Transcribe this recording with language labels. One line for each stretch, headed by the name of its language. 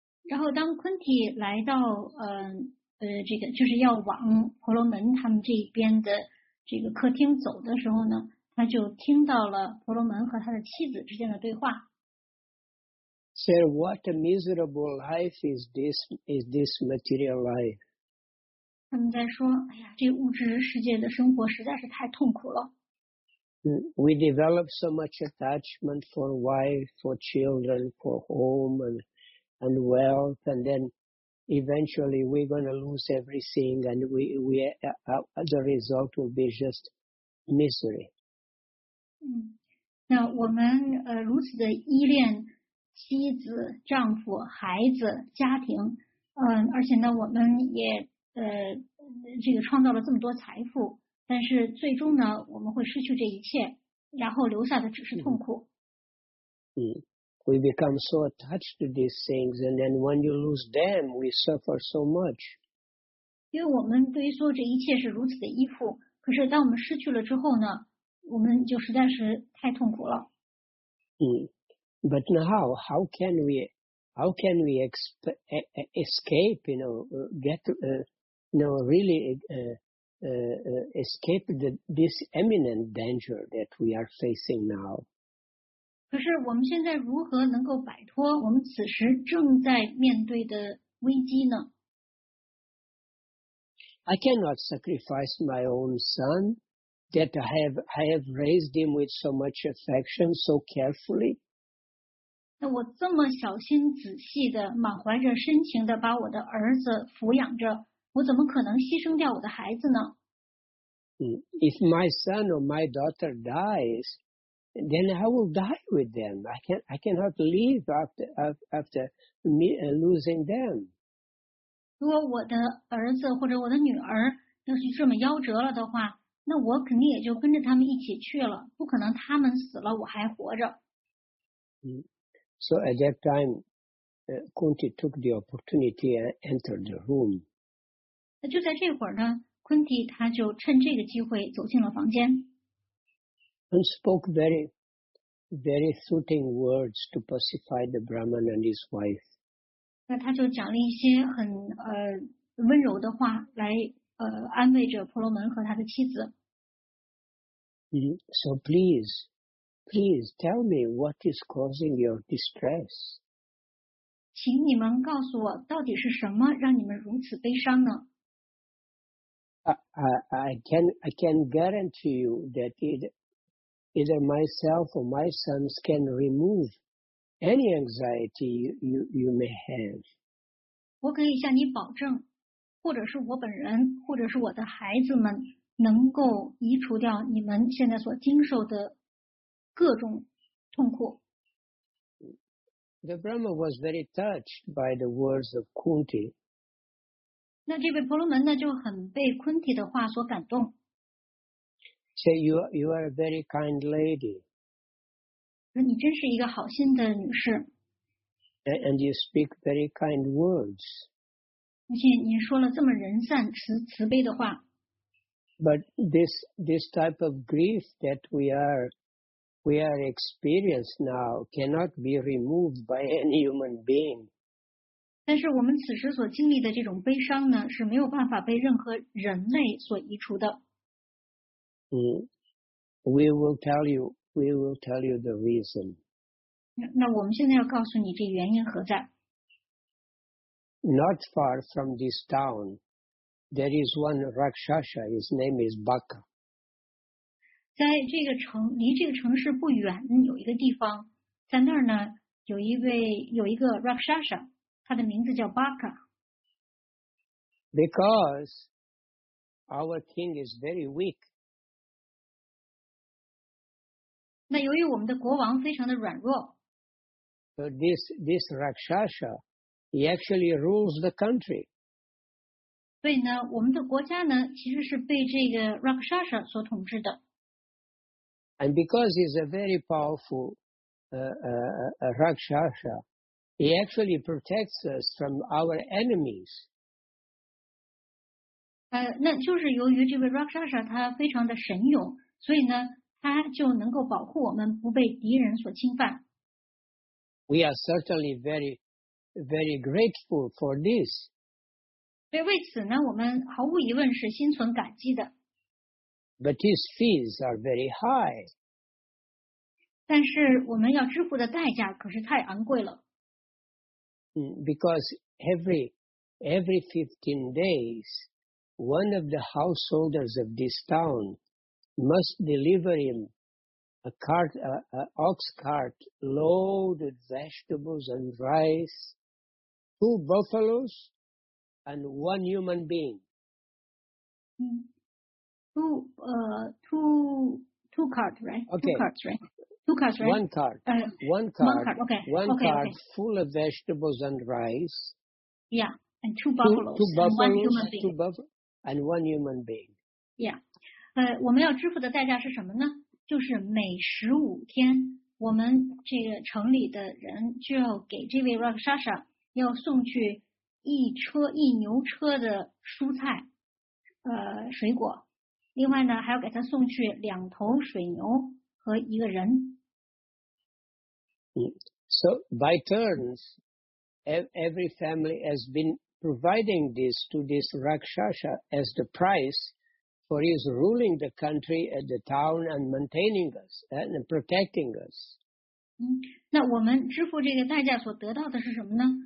Chinese: 然后当昆提来到这个就是要往婆罗门他们这边的这个客厅走的时候呢，他就听到了婆罗门和他的妻子之间的对话。
English: Sir, what a miserable life is this material life?
Chinese: 他们在说，哎呀，这物质世界的生活实在是太痛苦了。
English: We develop so much attachment for wife, for children, for home and wealth, and then eventually we're going to lose everything, and as a result will be just misery.
Chinese: 那我们如此的依恋妻子、丈夫、孩子、家庭，而且呢，我们也这个创造了这么多财富，但是最终呢，我们会失去这一切，然后留下的只是痛苦。
English: We become so attached to these things, and then when you lose them, we suffer so much.
Chinese: 因为我们对于所有这一切是如此的依附，可是当我们失去了之后呢，我们就实在是太痛苦了。
English: But now, how can we escape? You know, get escape this imminent danger that we are facing now.
Chinese: 可是我们现在如何能够摆脱我们此时正在面对的危机呢？
English: I cannot sacrifice my own son that I have raised him with so much affection, so carefully.
Chinese: 那我这么小心仔细的，满怀着深情的把我的儿子抚养着。我怎么可能牺牲掉我的孩子呢？
English: If my son or my daughter dies, then I will die with them. I cannot live after me losing them.
Chinese: 如果我的儿子或者我的女儿要是这么夭折了的话，那我肯定也就跟着他们一起去了，不可能他们死了我还活着。
English: So at that time, Kunti took the opportunity and entered the room.
Chinese: 那就在这会儿呢，昆蒂他就趁这个机会走进了房间。
English: And spoke very, very soothing words to pacify the Brahman and his wife.
Chinese: 那他就讲了一些很温柔的话来安慰着婆罗门和他的妻子。
English: So please tell me what is causing your distress.
Chinese: 请你们告诉我，到底是什么让你们如此悲伤呢？
English: I can guarantee you that either myself or my sons can remove any anxiety you may have.
Chinese: 我可以向你保证，或者是我本人，或者是我的孩子们，能够移除掉你们现在所经受的各种痛苦。
English: The Brahma was very touched by the words of Kunti.
Chinese: 那这位婆罗门呢就很被昆提的话所感动。
English: Say, you are a very kind lady.
Chinese: 那你真是一个好心的女士。
English: And you speak very kind words.
Chinese: 而且你说了这么仁善慈悲的话。
English: But this type of grief that we are experiencing now cannot be removed by any human being.
Chinese: 但是我们此时所经历的这种悲伤呢，是没有办法被任何人类所移除的。
English: We will tell you the reason.
Chinese: 那我们现在要告诉你这原因何在。
English: Not far from this town, there is one Rakshasa. His name is Baka.
Chinese: 在这个城离这个城市不远有一个地方，在那儿呢有一个 Rakshasa。他的名字叫巴卡。
English: Because our king is very weak.
Chinese: 那由于我们的国王非常的软弱。
English: So this Rakshasa, he actually rules the country.
Chinese: 所以呢，我们的国家呢，其实是被这个 Rakshasa 所统治的。
English: And because he's a very powerful Rakshasa. He actually protects us from our enemies.
Chinese: 那就是由于这位 Rakshasa 他非常的神勇，所以呢，他就能够保护我们不被敌人所侵犯。
English: We are certainly very, very grateful for this.
Chinese: 对，为此呢，我们毫无疑问是心存感激的。
English: But his fees are very high.
Chinese: 但是我们要支付的代价可是太昂贵了。
English: Because every 15 days, one of the householders of this town must deliver him an ox cart loaded with vegetables and rice, two buffaloes, and one human being. One cart full of vegetables and rice. Yeah. and two buffaloes, and one human being. Yeah.
Chinese: 我们要支付的代价是什么呢？就是每十五天，我们这个城里的人就要给这位 Rakshasa 要送去一车一牛车的蔬菜，水果。另外呢，还要给他送去两头水牛和一个人。
English: So by turns, every family has been providing this to this Rakshasa as the price for his ruling the country and the town and maintaining us and protecting us.
Chinese: 那我们支付这个代价所得到的是什么呢？